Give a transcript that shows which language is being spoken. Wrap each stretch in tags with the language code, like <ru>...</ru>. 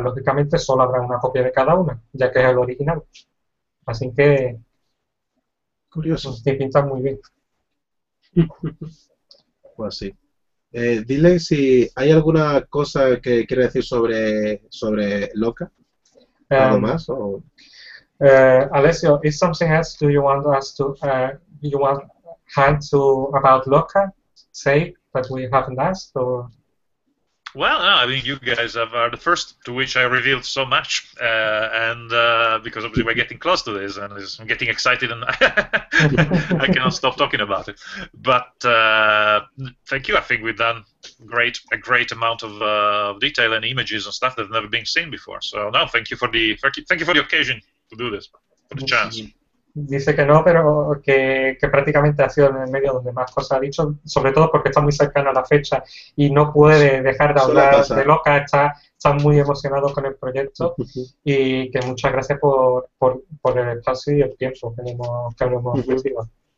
<es>Lógicamente solo habrá una copia de cada una, ya que es el original. Así que... curioso. Te pinta muy bien. Pues sí. Dile si hay alguna cosa que quiere decir sobre Loca. ¿Algo más? O...</es> <en>Alessio, is something else do you want us to you want hand to about Loca say that we haven't asked or? Well, no, I mean you guys are the first to which I revealed so much, because obviously we're getting close to this and I'm getting excited and I cannot stop talking about it. But thank you. I think we've done a great amount of detail and images and stuff that have never been seen before. So no, thank you for the occasion to do this, for the chance.</en> <es>Dice que no, pero que prácticamente ha sido en el medio donde más cosas ha dicho, sobre todo porque está muy cercana a la fecha y no puede dejar de hablar de Loca, está muy emocionado con el proyecto y que muchas gracias por el espacio y el tiempo que hemos recibido.</es>